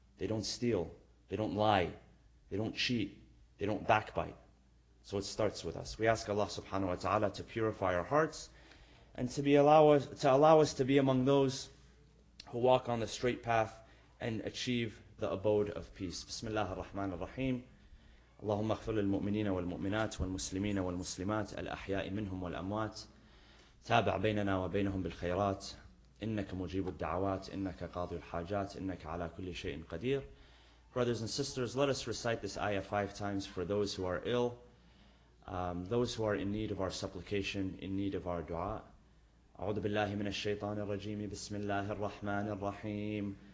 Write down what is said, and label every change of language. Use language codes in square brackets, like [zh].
[en] They don't steal, they don't lie, they don't cheat, they don't backbite. So it starts with us. We ask Allah subhanahu wa ta'ala to purify our hearts and to allow us to be among those who walk on the straight path and achieve the abode of peace. [ar] Bismillah ar-Rahman ar-Rahim. اللهم اغفر للمؤمنين والمؤمنات والمسلمين والمسلمات الأحياء منهم والأموات تابع بيننا وبينهم بالخيرات إنك مجيب الدعوات إنك قاضي الحاجات إنك على كل شيء قدير. [en] Brothers and sisters, let us recite this ayah 5 times for those who are ill, those who are in need of our supplication, in need of our dua. [ar] أعوذ بالله من الشيطان الرجيم بسم الله الرحمن الرحيم.